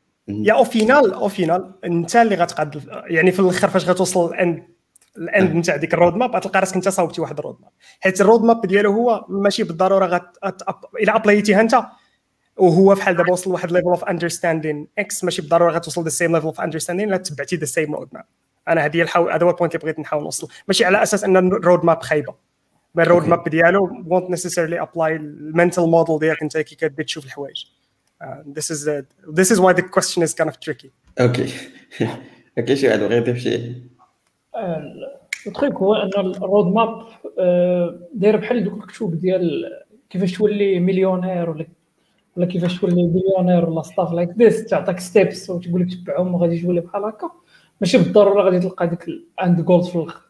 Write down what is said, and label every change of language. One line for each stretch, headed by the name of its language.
Arabic: يا او فينال انت اللي غتقاد يعني في الاخر فاش غتوصل الاند نتاع ديك الرود ماب غتلقى راسك انت صاوبتي واحد الرود ماب, حيت الرود ماب ديالو هو ماشي بالضروره الى ابلايتيها انت, وهو فحال دابا وصل لواحد
English: ليفل اوف اندرستاندين
Arabic: اكس, ماشي بالضروره غتوصل
English: ذا سيم ليفل اوف اندرستاندين
Arabic: لا تبعتي ذا سيم رود ماب. انا هذه هذا هو البوينت اللي بغيت نحاول نوصل, ماشي على اساس ان الرود ماب خايبه, ما الرود ماب ديالو
English: won't necessarily apply
Arabic: المنتال موديل ديالك انت كي كتبغي تشوف الحوايج.
English: This is why the question is kind of tricky. Okay.
Arabic: Okay, شو عاد بغيتي فشي؟ الطريق هو ان الرود ماب داير بحال دوك الكتب ديال كيفاش تولي مليونير ولا كيفاش تولي بليونير ولا
English: stuff like this,
Arabic: تعطيك ستيبس وتقول لك تبعهم وغادي تولي بحال هكا, ماشي بالضروره غادي تلقى ديك الاند جولز في الاخر.